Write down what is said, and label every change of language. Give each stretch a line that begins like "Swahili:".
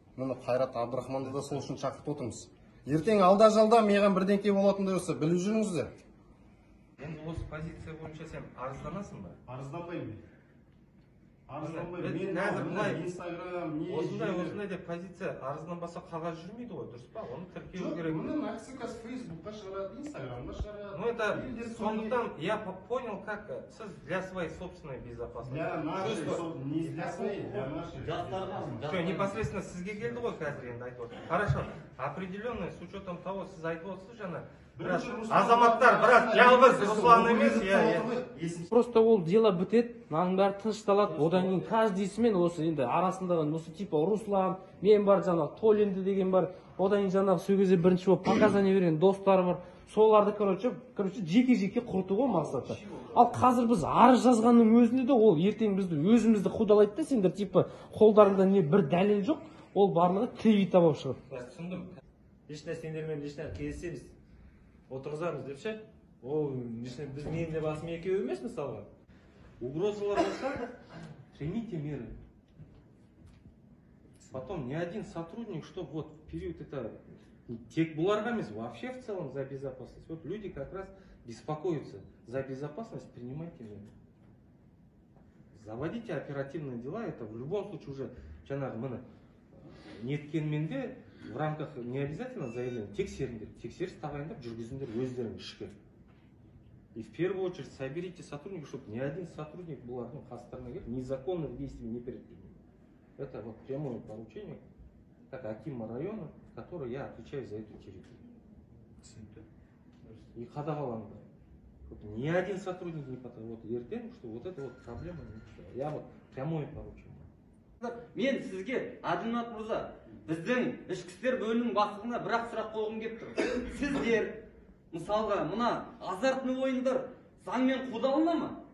Kazakh: Міне Қайрат Абдырахманды да сол үшін шақырып отырмыз. Ертең алда жалда маған бірдеңке болатындай болса біліп жүріңіздер. Енді осы позиция бойынша сен арызданасың ба? Арызданбаймын. Мен қазір мына Инстаграм не осындай деп позиция арызданбаса қағаз жүрмейді ғой, дұрыс па? Оны тіркеу керек. Мына Мексикас Фейсбукқа шығарады, Инстаграмға шығарады.
Russian: Ну это
Kazakh: сондықтан
Russian: я понял, как сіз для своей собственной безопасности. Для нашей, не для своей, для нашей.
Kazakh: Жастарға.
Russian: Что, непосредственно
Kazakh: сізге келді ғой қазір енді айтып отыр.
Russian: Хорошо. Определенно, с учетом того,
Kazakh: сіз айтып отырсыз жаңа. Азаматтар, брат, жалғыз Руслан емес,
Russian: я.
Kazakh: Просто ол дело бітеді, мынаның бәрі тынышталады, одан кейін каждыйсымен осы енді арасында осы типа Руслан, мен бар жаңағы Толинді деген бар, одан кейін жаңағы сол кезде бірінші болып показания берген достары бар, соларды короче жеке жеке құрту ғой мақсаты. Ал қазір біз арыз жазғанның өзінде де ол ертең бізді өзімізді қудалайды да, сендер типа қолдарыңда не бір дәлел жоқ, ол барлығы кривита болып шығады. Түсіндім. Лично сендермен лично кездесеміз. Отырғызамыз деп ше, ол біз мен де басым екеуі емес мысалға. Угрозалар болса,
Russian: примите меры. Потом ни один сотрудник, что вот в период это
Kazakh: тек бұларға емес,
Russian: вообще в целом за безопасность. Вот люди как раз беспокоятся за безопасность, принимайте меры. Заводите оперативные дела, это в любом случае уже
Kazakh: жаңағы мына неткенменде
Russian: в рамках не обязательно заявление,
Kazakh: тексеріңдер, тексеріс тағайындап жүргізіңдер өздерің ішкі.
Russian: И в первую очередь соберите сотрудников, чтобы ни один сотрудник
Kazakh: бұлардың қастарына келіп
Russian: незаконных действий не предпринимал. Это вот прямое поручение как акима района, который я отвечаю за эту территорию. И
Kazakh: қадағаланды.
Russian: Вот ни один сотрудник не потерял. Вот ертең, что вот это вот проблема. Я вот прямое поручение.
Kazakh: Мен сізге Адамат Мырза, біздің ішкі істер бөлімінің бастығына бір ақ сұрақ қойғым келіп тұр. Сіздер мысалға мына азартный ойындар заңмен қудалана ма?